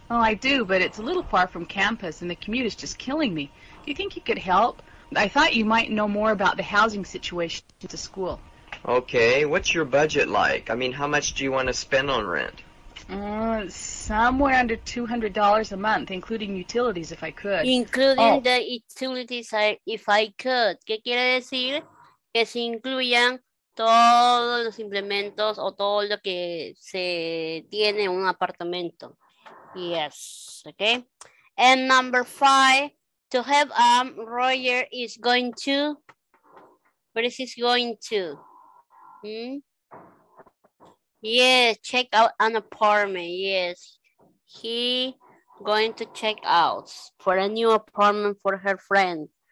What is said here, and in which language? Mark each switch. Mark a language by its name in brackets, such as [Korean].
[English] Oh, I do, but it's a little far from campus and the commute is just killing me. Do you think you could help? I thought you might know more about the housing situation at the school. Okay, what's your budget like? I mean, how much do you want to spend on rent? Somewhere under $200 a month, including utilities, if I could. Including the utilities, if I could. [Spanish] ¿Qué quiere decir? que se incluyan todos los implementos o todo lo que se tiene en un apartamento. [English] Yes, okay. And number five, to help Roger is going to, where is he going to? Yes, check out an apartment. Yes, he going to check out for a new apartment for her friend.